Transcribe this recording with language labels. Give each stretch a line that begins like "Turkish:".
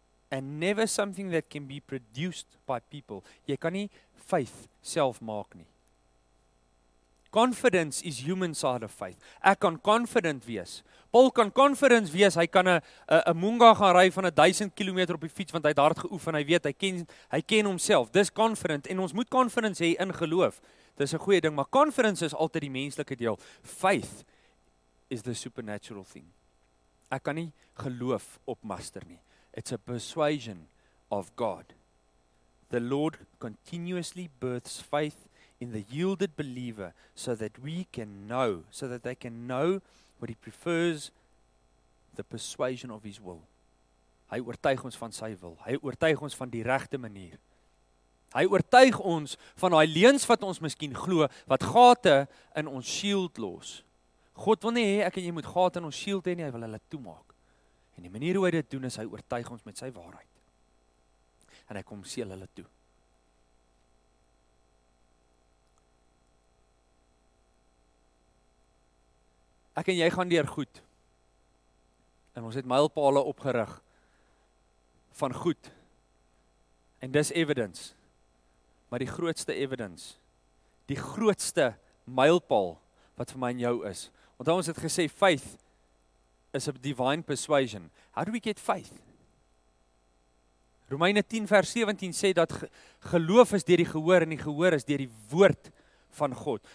English: And never something that can be produced by people.
Afrikaans: Jy kan nie faith self maak nie.
English: Confidence is human side of faith.
Afrikaans: Ek kan confident wees. Paul kan confident wees, hy kan 'n munga gaan ry van 1000 km op die fiets, want hy het hard geoefen, hy weet, hy ken homself. Dis confident, en ons moet confidence hê in geloof. Dis 'n goeie ding, maar confidence is altyd die menslike deel.
English: Faith is the supernatural thing.
Afrikaans: Ek kan nie geloof opmaster nie.
English: It's a persuasion of God. The Lord continuously births faith in the yielded believer, so that they can know what he prefers, the persuasion of his will.
Afrikaans: Hy oortuig ons van sy wil. Hy oortuig ons van die regte manier. Hy oortuig ons van daai leuns wat ons miskien glo, wat gate in ons shield los. God wil nie hê ek en jy moet gate in ons shield hê nie, hy wil hulle toemaak. En die manier hoe hy dit doen is hy oortuig ons met sy waarheid. En hy kom seël hulle toe. Ek en jy gaan deur goed. En ons het mylpale opgerig van goed. En dis evidence. Maar die grootste evidence, die grootste mylpaal wat vir my en jou is. Want ons het gesê
English: faith is a divine persuasion. How do we get faith?
Afrikaans: Romeine 10 vers 17 sê dat geloof is deur die gehoor en die gehoor is deur die woord van God.